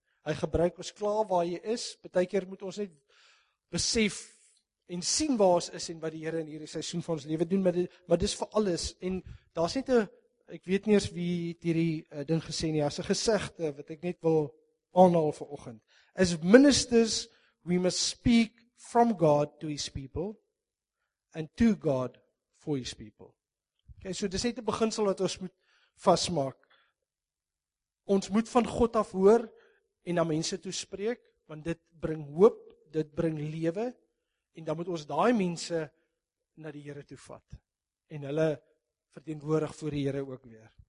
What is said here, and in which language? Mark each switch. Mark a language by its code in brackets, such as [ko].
[af] Hy gebruik ons klaar waar jy is. Partykeer moet ons net besef en sien waar ons is en wat die Here in hierdie seisoen van ons lewe doen, maar dis vir alles en daar's net 'n ek weet nie eens wie hierdie ding gesê nie, as 'n gesegde wat ek net wil aanhaal vir oggend. [en] As ministers, we must speak from God to his people and to God for his people. [af] Okay, so dis net 'n beginsel wat ons moet vasmaak. Ons moet van God af hoor en na mense toe spreek, want dit bring hoop, dit bring lewe. En dan moet ons daai mense na die Here toe vat en hulle verteenwoordig voor die Here ook weer.